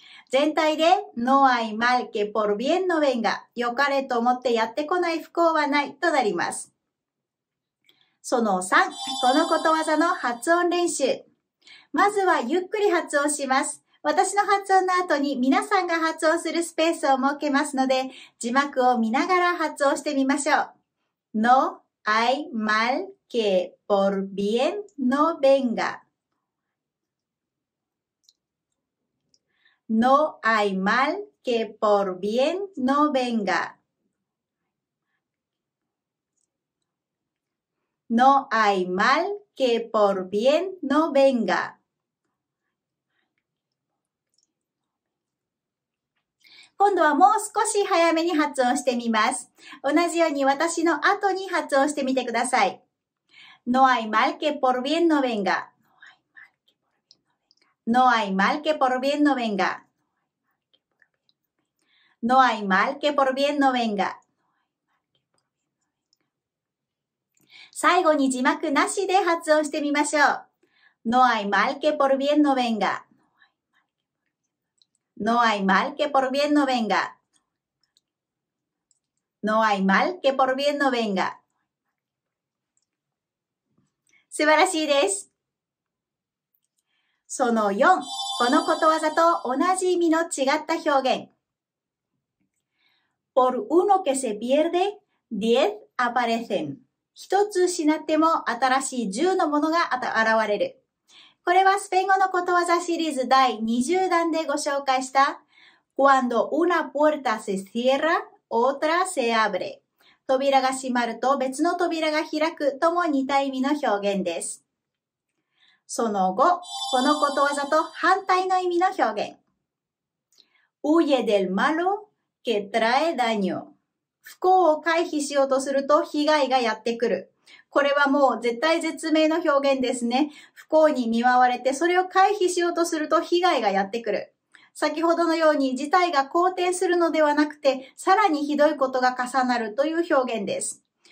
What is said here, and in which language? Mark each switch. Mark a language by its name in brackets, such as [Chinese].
[Japanese] 全体で [Spanish] No hay mal que por bien no venga、 [Japanese] 良かれと思ってやってこない不幸はないとなります。その3、このことわざの発音練習。まずはゆっくり発音します。私の発音の後に皆さんが発音するスペースを設けますので、字幕を見ながら発音してみましょう。 [Spanish] No hay mal que por bien no venga。 No hay mal que por bien no venga。 No hay mal que por bien no venga。 [Japanese] 今度はもう少し早めに発音してみます。同じように私の後に発音してみてください。 [Spanish] No hay mal que por bien no venga。 No hay mal que por bien no venga。 No hay mal que por bien no venga。 [Japanese] 最後に字幕なしで発音してみましょう。 [Spanish] No hay mal que por bien no venga。 No hay mal que por bien no venga。 No hay mal que por bien no venga。 [Japanese] 素晴らしいです。その4、このことわざと同じ意味の違った表現。 [Spanish] Por uno que se pierde, diez aparecen. [Japanese] 一つ失っても新しい10のものが現れる。これはスペイン語のことわざシリーズ第20弾でご紹介した [Spanish] Cuando una puerta se cierra, otra se abre. [Japanese] 扉が閉まると別の扉が開くとも似た意味の表現です。その後、このことわざと反対の意味の表現。 [Spanish] Huye del malo que trae daño. [Japanese] 不幸を回避しようとすると被害がやってくる。これはもう絶体絶命の表現ですね。不幸に見舞われてそれを回避しようとすると被害がやってくる。先ほどのように事態が好転するのではなくて、さらにひどいことが重なるという表現です。